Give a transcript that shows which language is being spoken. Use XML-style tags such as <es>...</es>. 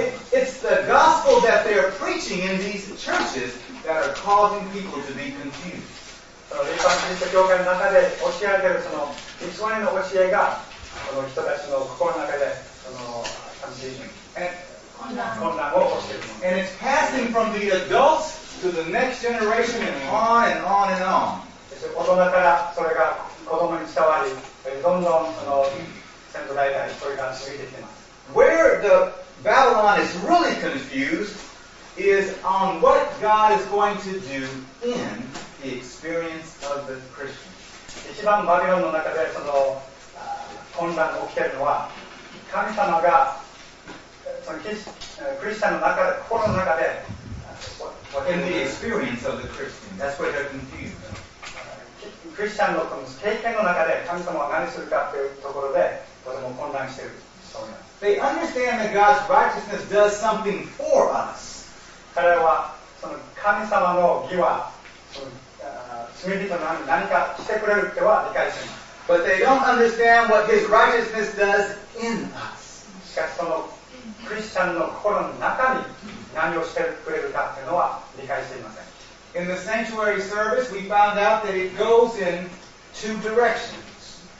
<en>It's the gospel that they are preaching in these churches that are causing people to be confused.</en> <ja>その一般人の教会の中で教えられているその偽りの教えが、この人たちの心の中で、その、</ja> <en>And it's passing from the adults to the next generation and on and on and on.</en> <ja>大人からそれが子供に伝わり、どんどんその先祖代々それが過ぎてきています。</ja> <en>Where the Babylon is really confused is on what God is going to do in the experience of the Christian.</en> <ja>一番バビロンの中でその混乱が起きているのは神様がそのクリスチャンの中で心の中で</ja> <en>in the experience of the Christian, that's where they're confused.</en> <ja>クリスチャンの経験の中で神様は何するかというところでとても混乱していると思います。</ja> <en>They understand that God's righteousness does something for us.</en> <ja>彼らはその神様の義はその罪人のために何かしてくれるっては理解しています。</ja> <en>But they don't understand what His righteousness does in us.</en> <ja>しかしそのクリスチャンの心の中に何をしてくれるかというのは理解していません。</ja> <en>In the sanctuary service, we found out that it goes in two directions.</en>